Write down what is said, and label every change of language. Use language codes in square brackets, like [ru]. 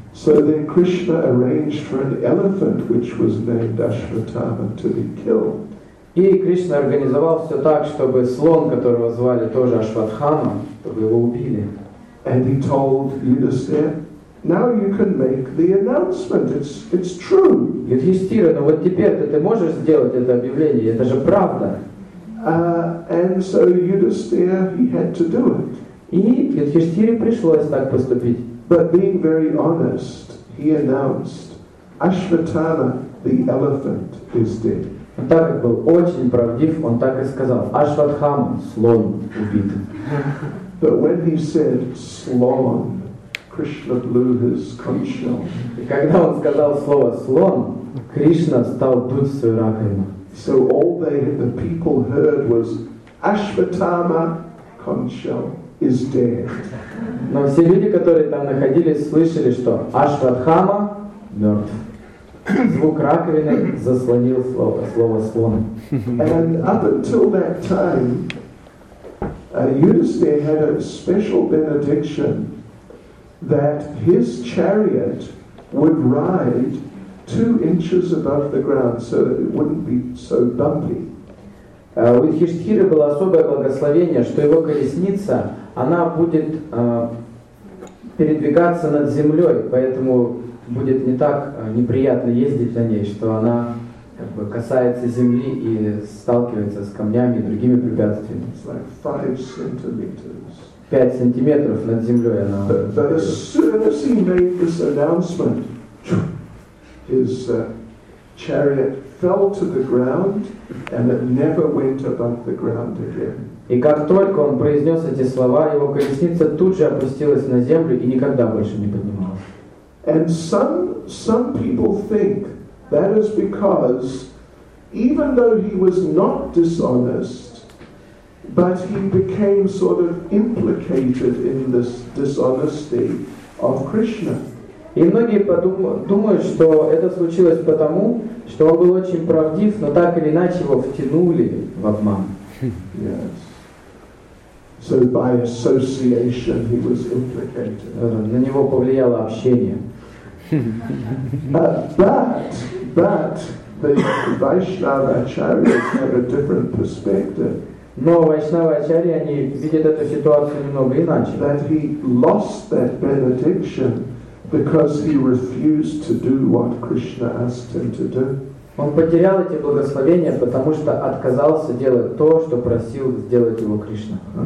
[en] So then Krishna arranged for an elephant which was named Ashwatthama to be killed. [ru] И Кришна организовал все так, чтобы слон, которого звали тоже Ашватхама, чтобы его убили. [en] And he told Yudhisthira, now you can make the announcement. It's true. [ru] Юдхиштхира, ну вот теперь ты можешь сделать это объявление, это же правда. [en] And so Yudhisthira, he had to do it. [ru] И Юдхиштхире пришлось так поступить. [en] But being very honest, he announced, Ashwatthama, the elephant, is dead. [ru] Он так как был очень правдив, он так и сказал, Ашватхама, слон, убит. [en] But when he said, слон, Krishna blew his conch shell. [ru] И когда он сказал слово слон, Кришна стал дуть свою раковину. [en] So all the people heard was, Ashwatthama, conch shell. Is dead. [ru] Но все люди, которые там находились, слышали, что Ашватхама мертв. Звук раковины заслонил слово слона. [en] And up until that time, Yudhisthira had a special benediction that his chariot would ride 2 inches above the ground, so that it wouldn't be so bumpy. [ru] У Юдхиштхиры было особое благословение, что его колесница она будет передвигаться над землей, поэтому будет не так неприятно ездить на ней, что она как бы касается земли и сталкивается с камнями и другими препятствиями. [en] It's like 5 centimeters. [ru] 5 сантиметров над землей она. [en] But as soon as he made this announcement, his chariot fell to the ground and it never went above the ground again. [ru] И как только он произнес эти слова, его колесница тут же опустилась на землю и никогда больше не поднималась. [en] And some people think that is because even though he was not dishonest, but he became sort of implicated in this dishonesty of Krishna. [ru] И многие думают, что это случилось потому, что он был очень правдив, но так или иначе его втянули в обман. [en] Yes. So by association he was implicated. [ru] На него повлияло общение. [en] But the Vaishnava Acharyas have a different perspective. [ru] Но Vaishnava Acharya они видят эту ситуацию немного иначе. [en] That he lost that benediction because he refused to do what Krishna asked him to do. [ru] Он потерял эти благословения, потому что отказался делать то, что просил сделать его Кришна.